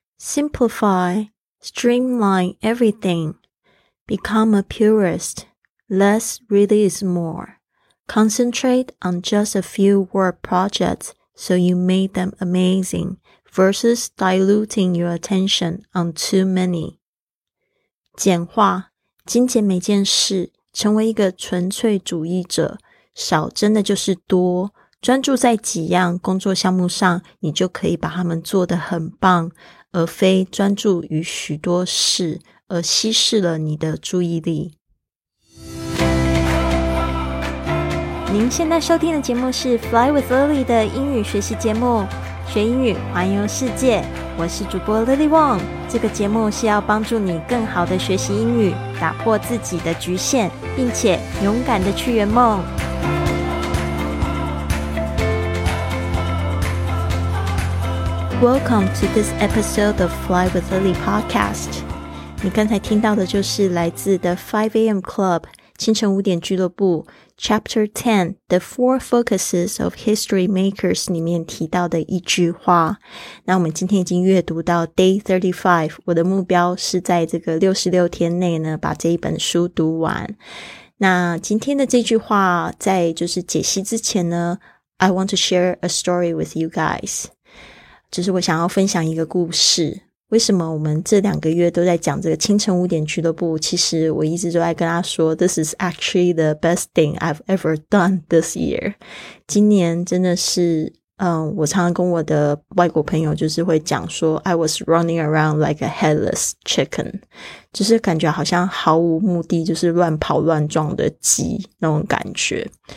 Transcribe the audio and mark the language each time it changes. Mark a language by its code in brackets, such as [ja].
[en] Simplify, streamline everything. Become a purist. Less really is more. Concentrate on just a few word projects so you make them amazing versus diluting your attention on too many. [zh] 简化，精简每件事，成为一个纯粹主义者，少真的就是多。专注在几样工作项目上，你就可以把它们做得很棒，而非专注于许多事，而稀释了你的注意力。您现在收听的节目是 Fly with Lily 的英语学习节目，学英语，环游世界。我是主播 Lily Wong， 这个节目是要帮助你更好的学习英语，打破自己的局限，并且勇敢的去圆梦。 [en] Welcome to this episode of Fly with Lily podcast. [zh] 你刚才听到的就是来自 The 5 AM Club 清晨五点俱乐部 Chapter 10 The Four Focuses of History Makers 里面提到的一句话。那我们今天已经阅读到 Day 35， 我的目标是在这个66天内呢把这一本书读完。那今天的这句话在就是解析之前呢， [en] I want to share a story with you guys. [zh] 就是我想要分享一个故事。为什么我们这两个月都在讲这个清晨五点俱乐部，其实我一直都在跟他说 [en] This is actually the best thing I've ever done this year。 [zh] 今年真的是我常常跟我的外国朋友就是会讲说 [en] I was running around like a headless chicken， [zh] 就是感觉好像毫无目的，就是乱跑乱撞的鸡那种感觉。